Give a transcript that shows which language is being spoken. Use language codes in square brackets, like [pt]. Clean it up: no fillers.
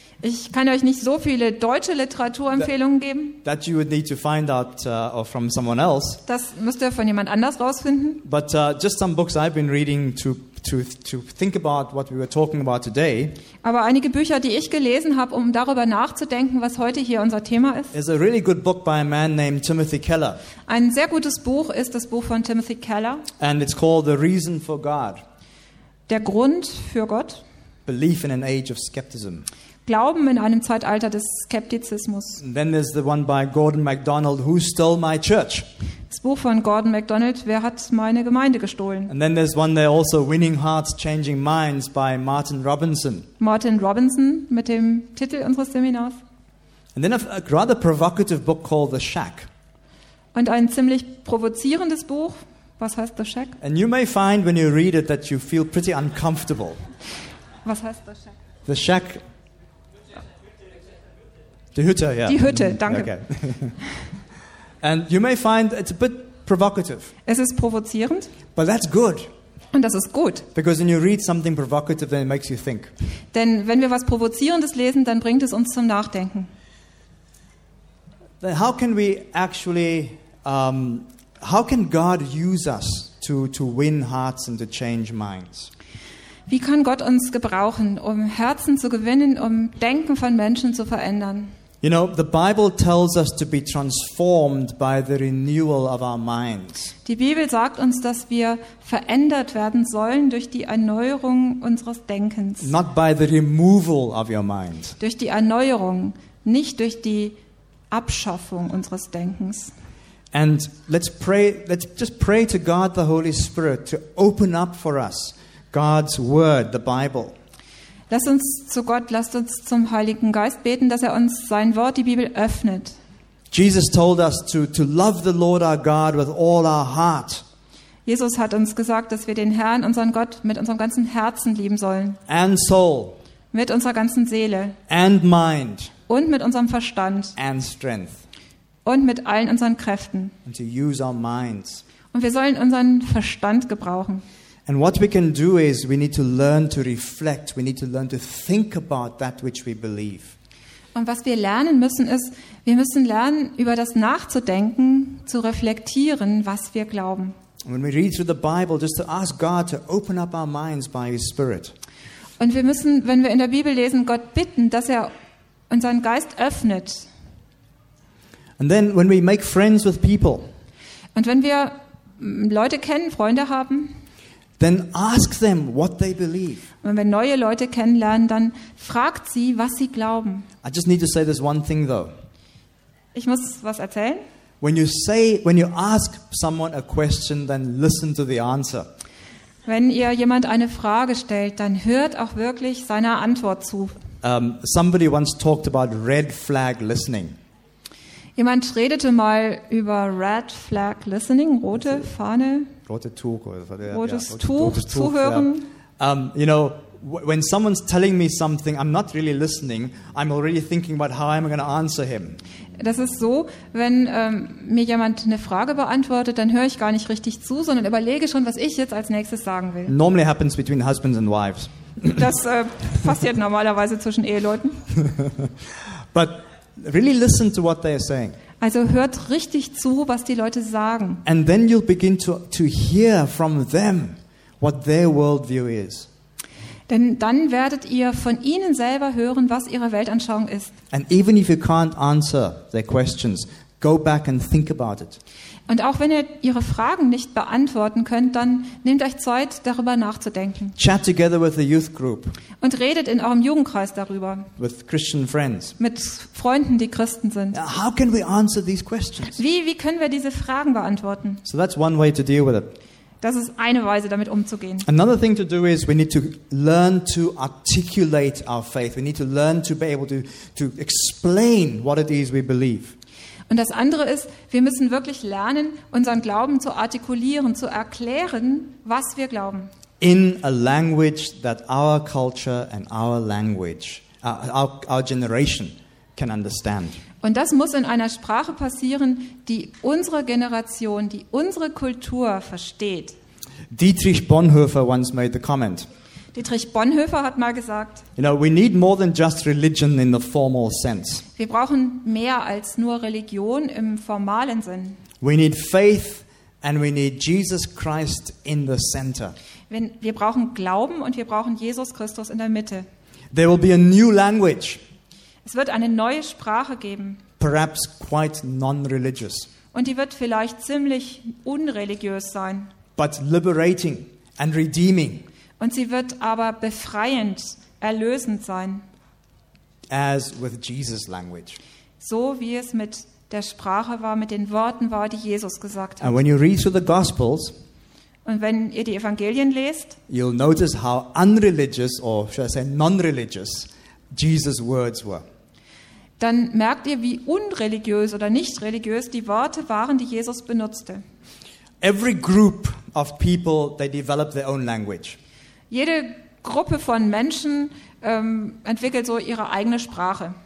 [de] Ich kann euch nicht so viele deutsche Literaturempfehlungen geben. [en] That you would need to find out from someone else. [de] Das müsst ihr von jemand anders rausfinden. [en] But just some books I've been reading to think about what we were talking about today. [de] Aber einige Bücher, die ich gelesen habe, um darüber nachzudenken, was heute hier unser Thema ist. [en] Is a really good book by a man named Timothy Keller. [de] Ein sehr gutes Buch ist das Buch von Timothy Keller. [en] And it's called The Reason for God. [de] Der Grund für Gott. [en] Belief in an Age of Skepticism. [de] Glauben in einem Zeitalter des Skeptizismus. [en] And then there's the one by Gordon MacDonald, Who Stole My Church? [de] Das Buch von Gordon MacDonald, Wer hat meine Gemeinde gestohlen? [en] And then there's one there also, Winning Hearts, Changing Minds by Martin Robinson. [de] Martin Robinson mit dem Titel unseres Seminars. [en] And then a rather provocative book called The Shack. [de] Und ein ziemlich provozierendes Buch. Was heißt The Shack? [en] And you may find when you read it that you feel pretty uncomfortable. [de] Was heißt The Shack? The Shack. Die Hütte, ja. Die Hütte, danke. Okay. [en] And you may find it's a bit provocative. [de] Es ist provozierend. [en] But that's good. [de] Und das ist gut. [en] Because when you read something provocative, then it makes you think. [de] Denn wenn wir was Provozierendes lesen, dann bringt es uns zum Nachdenken. [en] Then how can we actually, how can God use us to win hearts and to change minds? [de] Wie kann Gott uns gebrauchen, um Herzen zu gewinnen, um Denken von Menschen zu verändern? [en] You know, the Bible tells us to be transformed by the renewal of our minds. [de] Die Bibel sagt uns, dass wir verändert werden sollen durch die Erneuerung unseres Denkens. [en] Not by the removal of your mind. [de] Durch die Erneuerung, nicht durch die Abschaffung unseres Denkens. [en] And let's just pray to God the Holy Spirit to open up for us God's word, the Bible. [de] Lasst uns zu Gott, lasst uns zum Heiligen Geist beten, dass er uns sein Wort, die Bibel, öffnet. [en] Jesus told us to love the Lord our God with all our heart. [de] Jesus hat uns gesagt, dass wir den Herrn, unseren Gott, mit unserem ganzen Herzen lieben sollen. [en] And soul. [de] Mit unserer ganzen Seele. [en] And mind. [de] Und mit unserem Verstand. [en] And strength. [de] Und mit allen unseren Kräften. [en] And to use our minds. [de] Und wir sollen unseren Verstand gebrauchen. [en] And what we can do is we need to learn to reflect, we need to learn to think about that which we believe. [de] Und was wir lernen müssen ist, wir müssen lernen über das nachzudenken, zu reflektieren, was wir glauben. [en] And when we read through the Bible, just to ask God to open up our minds by his Spirit. [de] Und wir müssen, wenn wir in der Bibel lesen, Gott bitten, dass er unseren Geist öffnet. [en] And then when we make friends with people. [de] Und wenn wir Leute kennen, Freunde haben, [en] then ask them what they believe. [de] Wenn wir neue Leute kennenlernen, dann fragt sie, was sie glauben. [en] I just need to say this one thing though. [de] Ich muss was erzählen. [en] When you ask someone a question, then listen to the answer. [de] Wenn ihr jemand eine Frage stellt, dann hört auch wirklich seiner Antwort zu. [en] Somebody once talked about red flag listening. [de] Jemand redete mal über [en] red flag listening, [de] rote Fahne. Rotes Tuch, rotes Tuch zuhören. [en] You know, when someone's telling me something, I'm not really listening. I'm already thinking about how I'm going to answer him. [de] Das ist so, wenn mir jemand eine Frage beantwortet, dann höre ich gar nicht richtig zu, sondern überlege schon, was ich jetzt als nächstes sagen will. [en] Normally happens between husbands and wives. [de] Das passiert normalerweise zwischen Eheleuten. [en] But really listen to what they are saying. [de] Also hört richtig zu, was die Leute sagen. [en] And then you'll begin to hear from them what their worldview is. [de] Denn dann werdet ihr von ihnen selber hören, was ihre Weltanschauung ist. [en] And even if you can't answer their questions, go back and think about it. [de] Und auch wenn ihr ihre Fragen nicht beantworten könnt, dann nehmt euch Zeit, darüber nachzudenken. [en] Chat together with the youth group. [de] Und redet in eurem Jugendkreis darüber. [en] With Christian friends. [de] Mit Freunden, die Christen sind. [en] How can we answer these questions? [de] Wie können wir diese Fragen beantworten? [en] So that's one way to deal with it. [de] Das ist eine Weise, damit umzugehen. [en] Another thing to do is we need to learn to articulate our faith. We need to learn to be able to explain what it is we believe. [de] Und das andere ist, wir müssen wirklich lernen, unseren Glauben zu artikulieren, zu erklären, was wir glauben. [en] In a language that our culture and our language, our generation can understand. [de] Und das muss in einer Sprache passieren, die unsere Generation, die unsere Kultur versteht. [en] Dietrich Bonhoeffer once made the comment. [de] Dietrich Bonhoeffer hat mal gesagt, [en] you know, we need more than just religion in the formal sense. [de] Wir brauchen mehr als nur Religion im formalen Sinn. [en] We need faith and we need Jesus Christ in the center. [de] Wir brauchen Glauben und wir brauchen Jesus Christus in der Mitte. [en] There will be a new language. [de] Es wird eine neue Sprache geben. [en] Perhaps quite non-religious. [de] Und die wird vielleicht ziemlich unreligiös sein. [en] But liberating and redeeming. [de] Und sie wird aber befreiend, erlösend sein. [en] As with Jesus' language. [de] So wie es mit der Sprache war, mit den Worten war, die Jesus gesagt hat. [en] And when you read through the Gospels, [de] und wenn ihr die Evangelien lest, [en] you'll notice how unreligious, or should I say non-religious, Jesus' words were. [de] Dann merkt ihr, wie unreligiös oder nicht religiös die Worte waren, die Jesus benutzte. [en] Every group of people, they develop their own language. [de] Jede Gruppe von Menschen entwickelt so ihre eigene Sprache.